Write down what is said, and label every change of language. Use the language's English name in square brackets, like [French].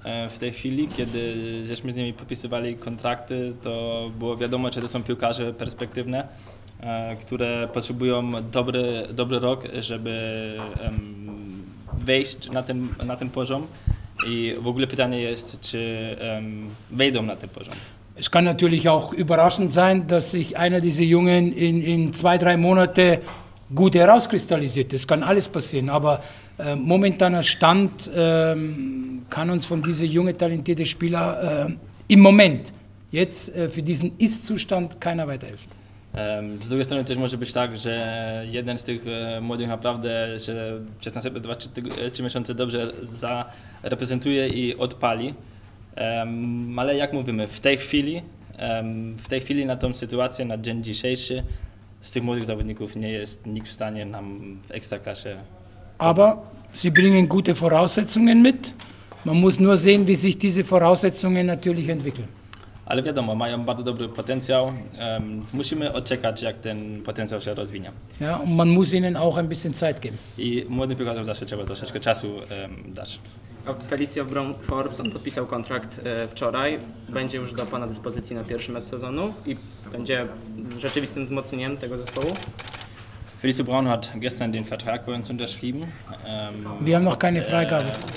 [Polish] W tej chwili, kiedy żeśmy z nimi podpisywali kontrakty, to było wiadomo, że to są piłkarze perspektywne, które potrzebują dobry rok, żeby wejść na ten poziom i w ogóle pytanie jest, czy wejdą na ten poziom. [German] Es kann natürlich auch überraschend sein, dass sich einer dieser Jungen in 2, 3 Monate gut herauskristallisiert. Das kann alles passieren, aber momentaner Stand kann uns von diesen jungen, talentierten Spielern im Moment jetzt für diesen Ist-Zustand keiner weiterhelfen. [Polish] Z drugiej strony też może być tak, że jeden z tych młodych naprawdę się przez następne 2-3 miesiące dobrze zareprezentuje i odpali. Ale jak mówimy, w tej chwili na tą sytuację, na dzień dzisiejszy, z tych młodych zawodników nie jest nikt w stanie nam w Ekstraklasie. [German] Aber sie bringen gute Voraussetzungen mit. Man muss nur sehen, wie sich diese Voraussetzungen natürlich entwickeln. [Polish] Ale wiadomo, mają bardzo dobry potencjał. Musimy odczekać, jak ten potencjał się rozwinie. [German] Ja, und man muss ihnen auch ein bisschen Zeit geben. [Polish] I młodym piłkarzom zawsze trzeba troszeczkę czasu dać. Felicio Brom-Forbes podpisał kontrakt wczoraj. Będzie już do pana dyspozycji na pierwszy mecz sezonu i będzie rzeczywistym wzmocnieniem tego zespołu. [German] Felicio Brom hat gestern den Vertrag bei uns unterschrieben. Wir haben noch keine Freigabe.